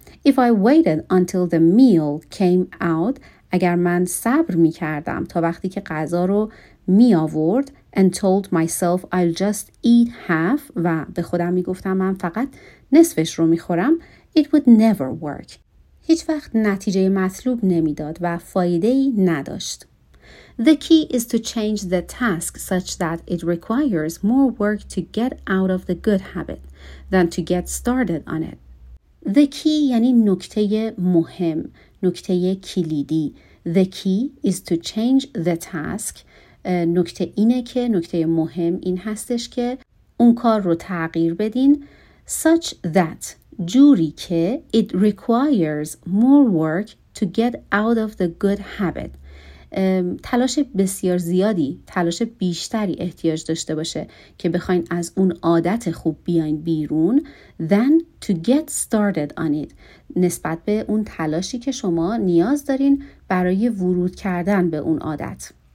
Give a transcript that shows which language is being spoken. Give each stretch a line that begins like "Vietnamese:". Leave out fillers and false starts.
English: If I waited until the meal came out،
Persian: اگر من صبر می کردم تا وقتی که غذا رو می آورد،
English: and told myself I'll just eat half،
Persian: و به خودم می گفتم من فقط نصفش رو می خورم،
English: it would never work.
Persian: هیچ وقت نتیجه مطلوب نمی داد و فایده ای نداشت.
English: The key is to change the task such that it requires more work to get out of the good habit than to get started on it.
Persian: The key یعنی نکته مهم، نکته کلیدی.
English: The key is to change the task.
Persian: نکته اینه که، نکته مهم این هستش که اون کار رو تغییر بدین.
English: Such that،
Persian: جوری که،
English: it requires more work to get out of the good habit.
Persian: تلاش بسیار زیادی، تلاش بیشتری احتیاج داشته باشه که بخواین از اون عادت خوب بیاین بیرون،
English: than to get started on it،
Persian: نسبت به اون تلاشی که شما نیاز دارین برای ورود کردن به اون عادت.